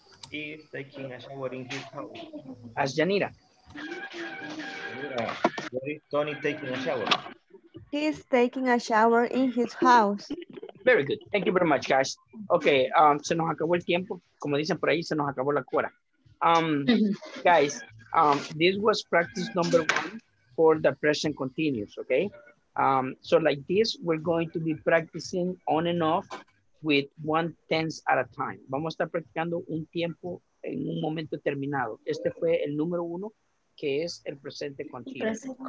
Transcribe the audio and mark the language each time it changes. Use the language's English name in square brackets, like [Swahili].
[English] He is taking a shower in his house. As Janira. Where is Tony taking a shower? He is taking a shower in his house. Very good. Thank you very much, guys. Okay, se nos acabó el tiempo. [Spanish] Como dicen por ahí, se nos acabó la cuora. [English] Guys, this was practice number one for the present continuous, okay? So like this, we're going to be practicing on and off with one tense at a time. [Spanish] Vamos a estar practicando un tiempo en un momento terminado. Este fue el número uno, que es el presente continuous.